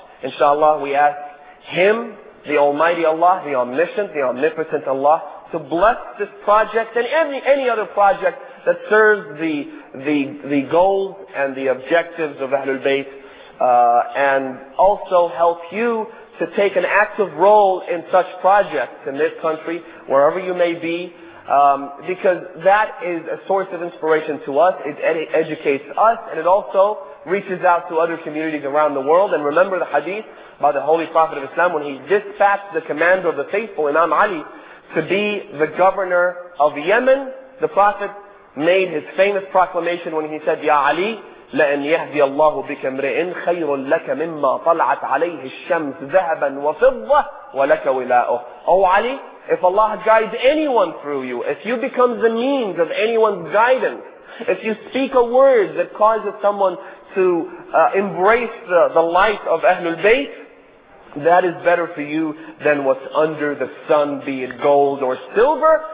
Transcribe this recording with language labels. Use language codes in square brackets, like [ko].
[en] Inshallah, we ask Him, the Almighty Allah, the Omniscient, the Omnipotent Allah, to bless this project and any other project that serves the goals and the objectives of Ahlul Bayt, and also help you to take an active role in such projects in this country, wherever you may be, because that is a source of inspiration to us. It educates us, and it also reaches out to other communities around the world. And remember the hadith by the Holy Prophet of Islam when he dispatched the commander of the faithful, Imam Ali, to be the governor of Yemen. The Prophet made his famous proclamation when he said, [ar] Ya Ali, لَأَنْ يَهْدِيَ اللَّهُ بِكَ امْرِئٍ خَيْرٌ لَكَ مِمَّا طَلَعَتْ عَلَيْهِ الشَّمْسُ ذَهَبًا وَفِضَّةً وَلَكَ وِلَاؤُهُ. [en] Oh Ali, if Allah guides anyone through you, if you become the means of anyone's guidance, if you speak a word that causes someone to embrace the light of Ahlul Bayt, that is better for you than what's under the sun, be it gold or silver.